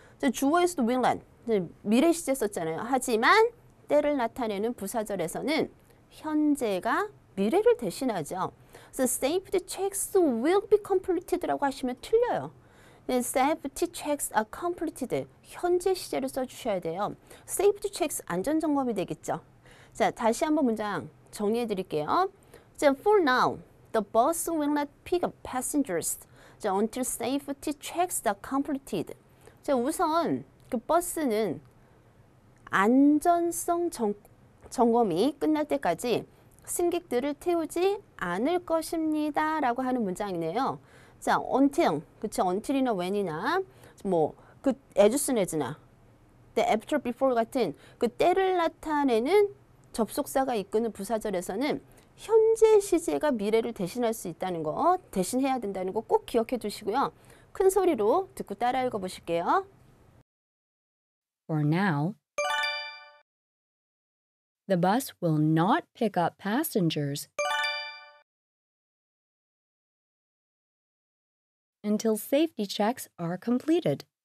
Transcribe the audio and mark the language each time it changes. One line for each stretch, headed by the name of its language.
Korean: 자, 주어에서도 will not 미래 시제 썼잖아요. 하지만 때를 나타내는 부사절에서는 현재가 미래를 대신하죠.
English: So safety checks will be completed라고
Korean: 하시면 틀려요.
English: Safety checks are completed.
Korean: 현재 시제를 써주셔야 돼요. Safety checks 안전 점검이 되겠죠. 자, 다시 한번 문장 정리해 드릴게요.
English: So for now, the bus will not pick up passengers until safety checks are completed.
Korean: 자, 우선 그 버스는 안전성 점검이 끝날 때까지 승객들을 태우지 않을 것입니다. 라고 하는 문장이네요. 자, until, 그쵸? until이나 when이나, 뭐, 그 as soon as나, the after, before 같은 그 때를 나타내는 접속사가 이끄는 부사절에서는 현재 시제가 미래를 대신할 수 있다는 거, 대신해야 된다는 거 꼭 기억해 두시고요. 큰 소리로 듣고 따라 읽어 보실게요.
English: For now, the bus will not pick up passengers until safety checks are completed.